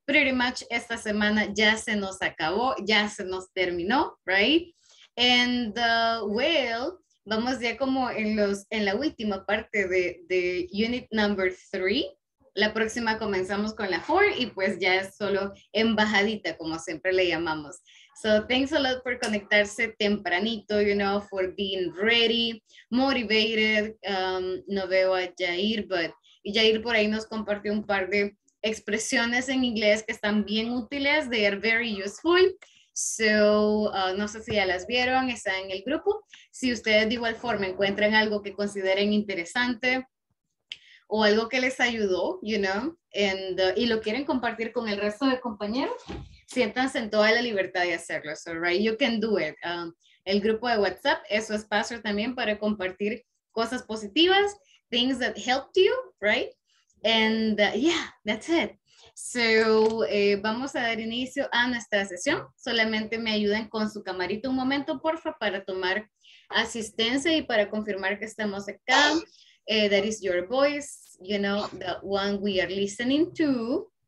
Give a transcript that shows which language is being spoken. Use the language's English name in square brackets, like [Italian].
[English] Pretty much [Spanish] esta semana ya se nos acabó, ya se nos terminó, right? [English] And well, [Spanish] vamos ya como en la última parte de [English] unit number 3. [Spanish] La próxima comenzamos con la 4 y pues ya es solo embajadita, como siempre le llamamos. [English] So thanks a lot for [Spanish] conectarse tempranito, [English] you know, for being ready, motivated. [Spanish] No veo a Jair, but Jair por ahí nos compartió un par de expresiones en inglés que están bien útiles. [English] They are very useful. [Spanish] So no sé si ya las vieron, están en el grupo. Si ustedes de igual forma encuentran algo que consideren interesante o algo que les ayudó, [English] you know, and, [Spanish] y lo quieren compartir con el resto de compañeros, siéntanse en toda la libertad de hacerlo, [English] so, right? You can do it. [Spanish] El grupo de WhatsApp es su espacio también para compartir cosas positivas, [English] things that helped you, right? And yeah, that's it. [Spanish] So vamos a dar inicio a nuestra sesión. Solamente me ayuden con su camarita un momento, porfa, para tomar asistencia y para confirmar que estamos acá. [English] That is your voice, you know, the one we are listening to.